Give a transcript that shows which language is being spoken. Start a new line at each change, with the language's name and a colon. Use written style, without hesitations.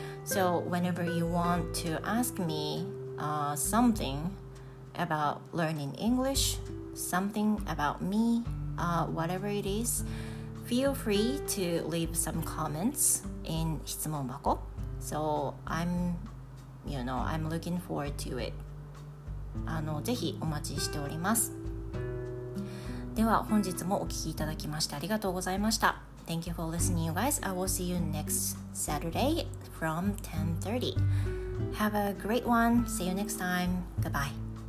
English: So, whenever you want to ask me something about learning EnglishSomething about me, whatever it is, feel free to leave some comments in 質問箱. So I'm looking forward to it.
Japanese: ぜひお待ちしております。では本日もお聞きいただきましてありがとうございました。
English: Thank you for listening, you guys. I will see you next Saturday from 10:30. Have a great one. See you next time. Goodbye.